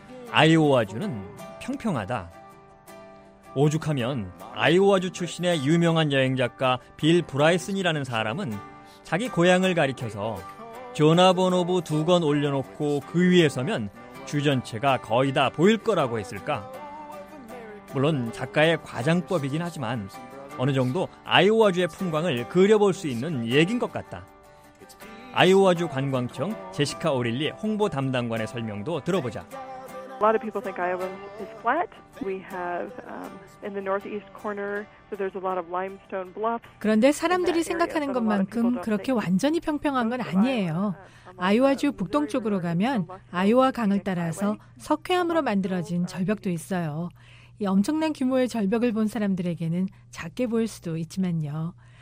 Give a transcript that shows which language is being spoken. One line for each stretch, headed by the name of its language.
Korean: 아이오와주는 평평하다. 오죽하면 아이오와주 출신의 유명한 여행작가 빌 브라이슨이라는 사람은 자기 고향을 가리켜서 전화번호부 두 건 올려놓고 그 위에 서면 주 전체가 거의 다 보일 거라고 했을까? 물론 작가의 과장법이긴 하지만 어느 정도 아이오와주의 풍광을 그려볼 수 있는 얘긴 것 같다. 아이오와주 관광청 제시카 오릴리 홍보 담당관의 설명도 들어보자.
English: A lot of people think Iowa is flat. We have in the northeast corner, so there's a lot of limestone bluffs.
Korean: 그런데 사람들이 생각하는 것만큼 그렇게 완전히 평평한 건 아니에요. 아이오와주 북동쪽으로 가면 아이오와 강을 따라서 석회암으로 만들어진 절벽도 있어요. 이 엄청난 규모의 절벽을 본 사람들에게는 작게 보일 수도 있지만요.